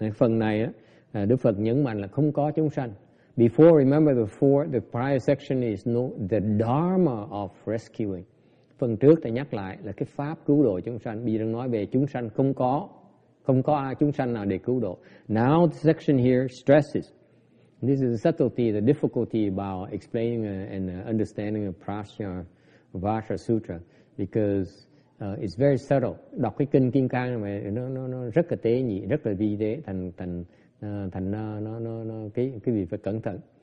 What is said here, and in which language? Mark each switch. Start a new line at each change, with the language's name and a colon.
Vietnamese: Phần này Đức Phật nhấn mạnh là không có chúng sanh.
English: Before, remember the prior section is no the dharma of rescuing.
Vietnamese: Phần trước ta nhắc lại là cái pháp cứu độ chúng sanh. Bây giờ nói về chúng sanh không có ai chúng sanh nào để cứu độ.
English: Now the section here stresses. This is the subtlety, the difficulty about explaining and understanding a Prasya Vajra Sutra, because it's very subtle.
Vietnamese: Đọc cái kinh Kim Cang này nó rất là tế nhị, rất là vi tế, thành nó cái vị phải cẩn thận.